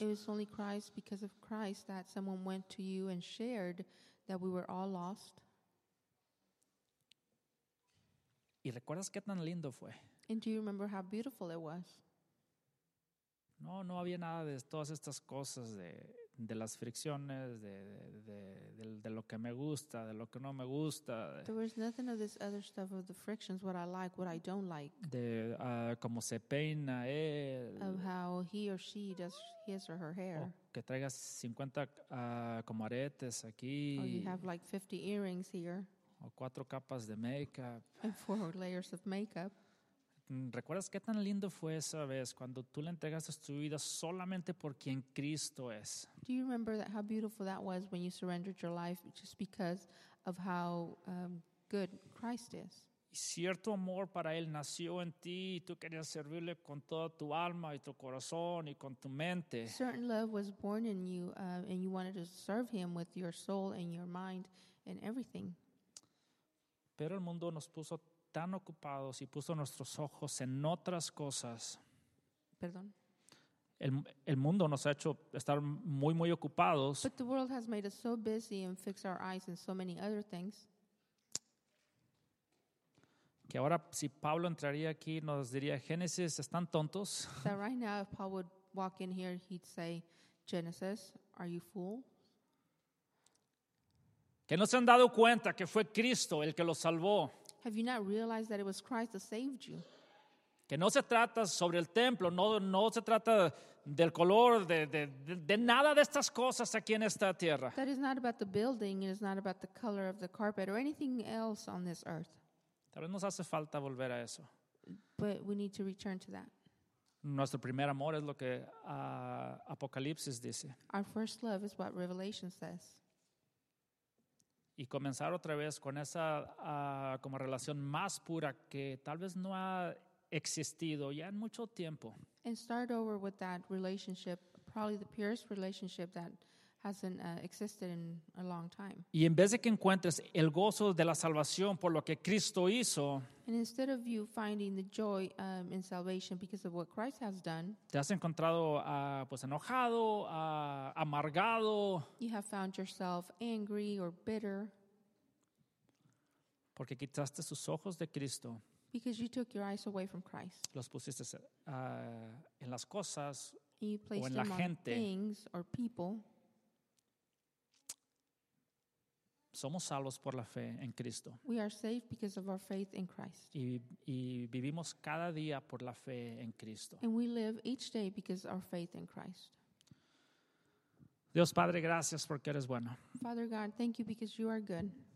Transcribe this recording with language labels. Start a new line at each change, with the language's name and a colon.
English: It was only Christ, because of Christ, that someone went to you and shared that we were all lost.
Spanish: ¿Y recuerdas qué tan lindo fue?
English: And do you remember how beautiful it was?
Spanish: No, no había nada de todas estas cosas de las fricciones, de lo que me gusta, de lo que no me gusta.
English: There was nothing of this other stuff of the frictions, what I like, what I don't like.
Spanish: De cómo se peina él.
English: Of how he or she does his or her hair.
Spanish: Que traigas 50 como aretes aquí.
English: Or you have like 50 earrings here.
Spanish: O 4 capas de makeup.
English: And 4 layers of makeup.
Spanish: ¿Recuerdas qué tan lindo fue esa vez cuando tú le entregaste tu vida solamente por quien Cristo es?
English: Do you remember that how beautiful that was when you surrendered your life just because of how good Christ is?
Spanish: Y cierto amor para Él nació en ti y tú querías servirle con toda tu alma y tu corazón y con tu mente.
English: Certain love was born in you and you wanted to serve Him with your soul and your mind and everything.
Spanish: Pero el mundo nos puso tan ocupados y puso nuestros ojos en otras cosas. Perdón. El mundo nos ha hecho estar muy, muy ocupados.
English: But the world has made us so busy and fixed our eyes in so many other things.
Spanish: Que ahora si Pablo entraría aquí nos diría Génesis, ¿están tontos?
English: That right now if Paul would walk in here he'd say, Genesis, are you fools?
Spanish: Que no se han dado cuenta que fue Cristo el que los salvó.
English: Have you not realized that it was Christ that saved you?
Spanish: Que no se trata sobre el templo, no se trata del color, de nada de estas cosas aquí en esta tierra.
English: That is not about the building, it is not about the color of the carpet or anything else on this earth.
Spanish: Tal vez nos hace falta volver a eso.
English: But we need to return to that.
Spanish: Nuestro primer amor es lo que Apocalipsis dice.
English: Our first love is what Revelation says.
Spanish: Y comenzar otra vez con esa como relación más pura que tal vez no ha existido ya en mucho tiempo.
English: And start over with that relationship, probably the purest relationship that hasn't existed in a long time.
Spanish: Y en vez de que encuentres el gozo de la salvación por lo que Cristo hizo,
English: and instead of you finding the joy in salvation because of what Christ has done,
Spanish: te has encontrado pues enojado, amargado.
English: You have found yourself angry or bitter.
Spanish: Porque quitaste sus ojos de Cristo.
English: Because you took your eyes away from Christ.
Spanish: Los pusiste en las cosas
English: and you placed
Spanish: o en la gente.
English: On things or people.
Spanish: Somos salvos por la fe en Cristo.
English: We are saved because of our faith in Christ.
Spanish: Y vivimos cada día por la fe en Cristo.
English: And we live each day because of our faith in Christ.
Spanish: Dios Padre, gracias porque eres bueno.
English: Father God, thank you because you are good.